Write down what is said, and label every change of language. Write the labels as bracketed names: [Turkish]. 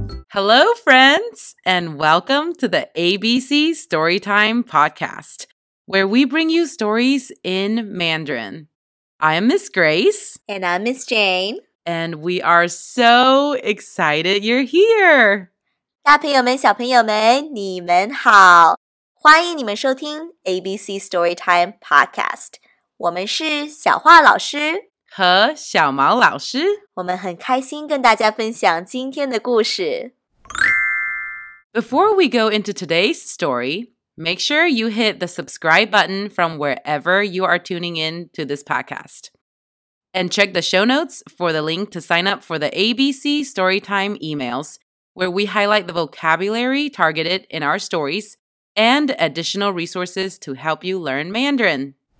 [English] Hello, friends, and welcome to the ABC Storytime Podcast, where we bring you stories in Mandarin. I am Miss Grace. And I'm Miss Jane. And we are so excited you're here. [Chinese] 大朋友们,小朋友们,你们好。欢迎你们收听ABC Storytime Podcast. 我们是小画老师。和小毛老师，我们很开心跟大家分享今天的故事。 [English] Before we go into today's story, make sure you hit the subscribe button from wherever you are tuning in to this podcast. And check the show notes for the link to sign up for the ABC Storytime emails, where we highlight the vocabulary targeted in our stories and additional resources to help you learn Mandarin.